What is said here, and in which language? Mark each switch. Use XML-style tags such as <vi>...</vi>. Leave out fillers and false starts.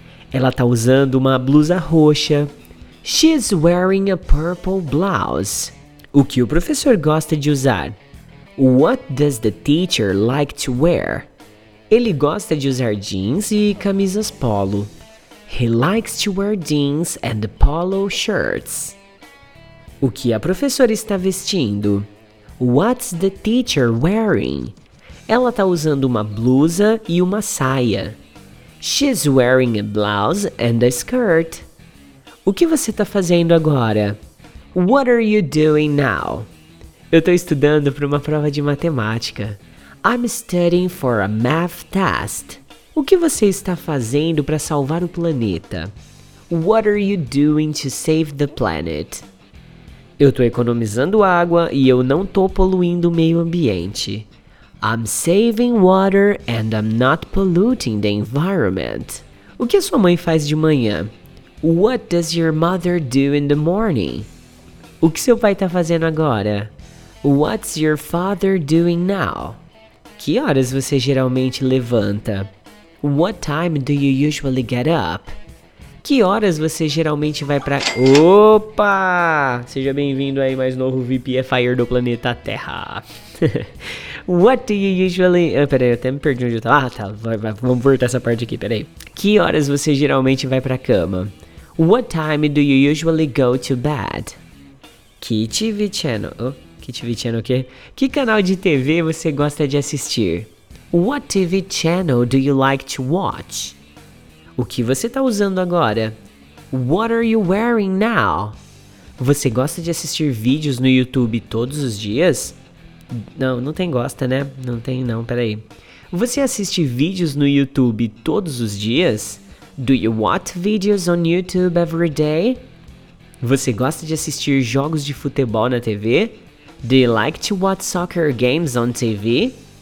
<pt>Ela tá usando uma blusa roxa.</pt> <en>She's wearing a purple blouse.</en> <pt>O que o professor gosta de usar?</pt> <en>What does the teacher like to wear?</en> <pt>Ele gosta de usar jeans e camisas polo.</pt> <en>He likes to wear jeans and polo shirts.</en> <pt>O que a professora está vestindo?</pt> <en>What's the teacher wearing?</en> <pt>Ela está usando uma blusa e uma saia.</pt> <en>She's wearing a blouse and a skirt.</en> <pt>O que você está fazendo agora?</pt> <en>What are you doing now?</en> <pt>Eu estou estudando para uma prova de matemática.</pt> <en>I'm studying for a math test.</en> <pt>O que você está fazendo para salvar o planeta? What are you doing to save the planet? Eu estou economizando água e eu não estou poluindo o meio ambiente. I'm saving water and I'm not polluting the environment. O que a sua mãe faz de manhã? What does your mother do in the morning? O que seu pai está fazendo agora?</pt> <en>What's your father doing now?</en> <pt>Que horas você geralmente levanta?</pt> <en>What time do you usually get up?</en> <pt>Que horas você geralmente vai pra... Opa! Seja bem-vindo aí, mais novo VPFire do planeta Terra.</pt> <en>What do you usually...</en> <pt>Ah, peraí, eu até me perdi onde eu tava. Ah, tá. Vamos voltar essa parte aqui, peraí. Que horas você geralmente vai pra cama?</pt> <en>What time do you usually go to bed?</en> <pt>Que TV channel? Oh, que TV channel o quê? Que canal de TV você gosta de assistir?</pt> <en>What TV channel do you like to watch?</en> <pt>O que você está usando agora?</pt> <en>What are you wearing now?</en> <pt>Você gosta de assistir vídeos no YouTube todos os dias? Não, não tem gosta, né? Não tem não, peraí. Você assiste vídeos no YouTube todos os dias?</pt> <en>Do you watch videos on YouTube every day?</en> <pt>Você gosta de assistir jogos de futebol na TV?</pt> <en>Do you like to watch soccer games on TV?</en>